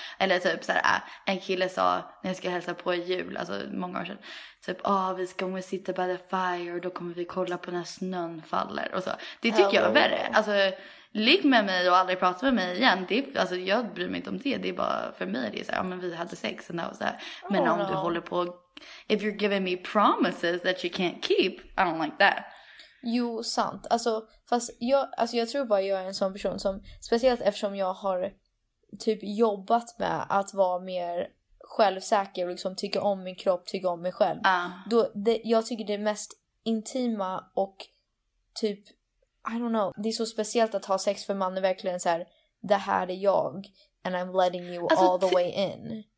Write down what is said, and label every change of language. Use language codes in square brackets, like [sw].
[sv] Eller typ så här, en kille sa när jag ska hälsa på i jul, alltså många år sedan, typ, vi ska gå och sitta [en] by the fire [sv] och då kommer vi kolla på när snön faller och så. Det tycker jag är värre. Alltså, ligg med mig och aldrig prata med mig igen. Alltså, jag bryr mig inte om det. Det är bara för mig. Det är så här, men vi hade sex och så här. Men om du håller på, [en] if you're giving me promises that you can't keep, I don't like that. [sv] Jo, sant. Alltså, fast jag tror bara jag är en sån person som, speciellt eftersom jag har typ jobbat med att vara mer självsäker och liksom tycka om min kropp, tycka om mig själv. Jag tycker det mest intima och typ, [en] I don't know, [sv] det är så speciellt att ha sex, för man är verkligen så här, det här är jag [en] and I'm letting you [sv] alltså, [en] all the way in.